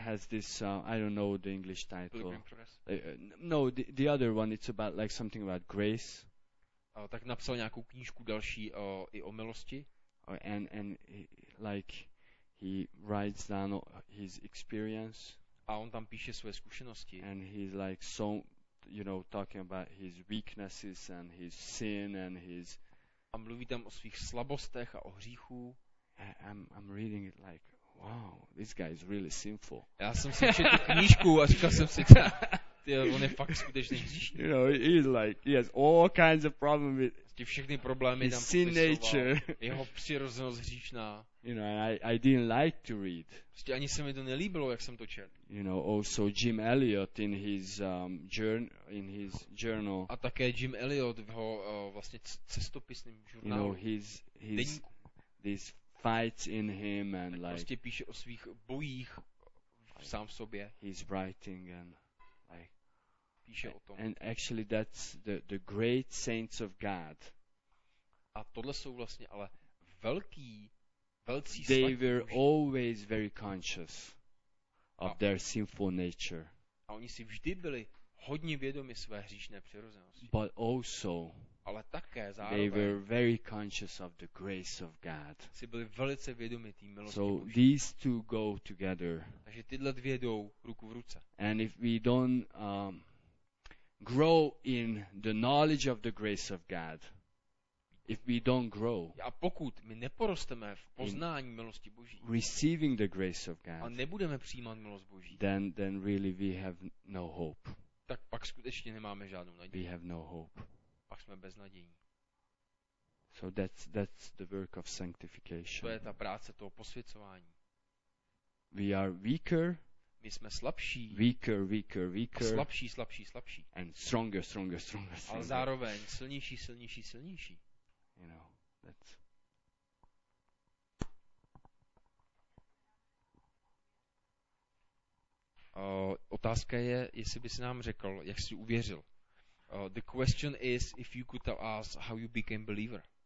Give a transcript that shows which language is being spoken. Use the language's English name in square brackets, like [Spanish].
[English] has this I don't know the English title. Pilgrim Progress. No, the other one, it's about like something about grace. [Czech] Tak napsal nějakou knížku další i o milosti. [English] And like he writes down his experience. [Czech] A on tam píše své zkušenosti. [English] And he's like so, you know, talking about his weaknesses and his sin and his. [Czech] A mluví tam o svých slabostech a o hříchu. [English] I'm reading it like, wow, this guy is really sinful. [Czech] Já jsem si četl knížku a říkal jsem si, ty, on je fakt skutečný hříšník. [English] You know, he's like, he has all kinds of problems with. [Czech] Ty všechny problémy tam popisoval. [English] Sin nature. [Czech] Jeho přirozenost hříšná. [English] You know, I didn't like to read. [Czech] Prostě ani se mi to nelíbilo, jak jsem to četl. [English] You know, also Jim Elliot in his journal. [Czech] A také Jim Elliot v jeho vlastně cestopisným žurnálu. [English] You know, his this fights in him and [Czech] tak [English] like. [Czech] Prostě píše o svých bojích v sám sobě. [English] His writing and like. [Czech] Píše o tom. [English] And actually, that's the great saints of God. [Czech] A tohle jsou vlastně ale velký. [English] They were always very conscious of their sinful nature. [Czech] A oni si vždy byli hodně vědomi své hříšné přirozenosti. [English] But also, [Czech] ale také zároveň, [English] they were very conscious of the grace of God. [Czech] Si byli velice vědomi té milosti. [English] So these two go together. [Czech] Takže tyhle dvě jdou ruku v ruce. [English] And if we don't grow in the knowledge of the grace of God. If we don't grow, [Czech] a pokud my neporosteme v poznání milosti Boží, [English] receiving the grace of God, [Czech] a nebudeme přijímat milost Boží, [English] then really we have no hope. [Czech] Tak pak skutečně nemáme žádnou naději. [English] We have no hope. [Czech] Pak jsme bez nadějí. [English] So that's the work of sanctification. [Czech] To je ta práce toho posvěcování. [English] We are weaker. [Czech] My jsme slabší. [English] Weaker, weaker, weaker. [Czech] A slabší, slabší, slabší. [English] And stronger, stronger, stronger, stronger. [Czech] A zároveň silnější, silnější, silnější. [English] You know, that's. [Czech] Otázka je, jestli bys nám řekl, jak jsi uvěřil. [English] The question is, if you could tell us how you became a believer.